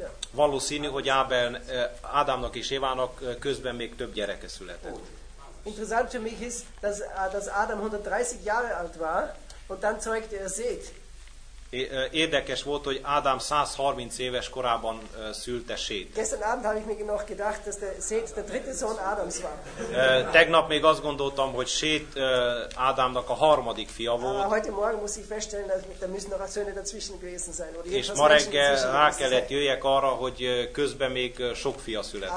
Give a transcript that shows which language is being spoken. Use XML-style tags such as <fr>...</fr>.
<hu>Valószínű, hogy Ábel, Ádámnak és Évának közben még több gyereke született.</hu> <de>Interessant für mich ist, dass Adam 130 Jahre alt war und dann zeugte er Seth.</de> <hu>Érdekes volt, hogy Ádám 130 éves korában szülte Sét.</hu> <de>Gestern Abend habe ich mir noch gedacht, dass Sét der dritte Sohn Adams war.</de> <hu>Tegnap még azt gondoltam, hogy Sét Ádámnak a harmadik fia volt.</hu> <de>Heute Morgen muss ich feststellen, dass da müssen noch Söhne dazwischen gewesen sein.</de> <hu>És ma reggel rá kellett jöjjek arra, hogy közben még sok fia született.</hu>